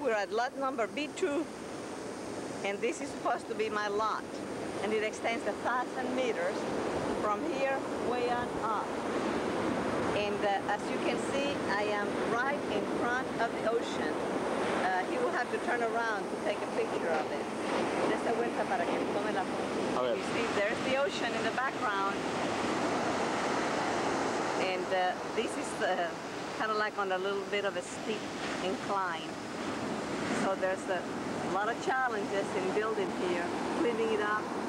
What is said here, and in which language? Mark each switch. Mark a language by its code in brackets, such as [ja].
[en] We're at lot number B2, and this is supposed to be my lot, and it extends 1,000 meters from here way on up. And as you can see, I am right in front of the ocean. It will have to turn around to take a picture of it. [es] De esta vuelta para que tome la foto. A ver. [en] You see, there's the ocean in the background. And this is kind of like on a little bit of a steep incline. So there's a lot of challenges in building here, cleaning it up.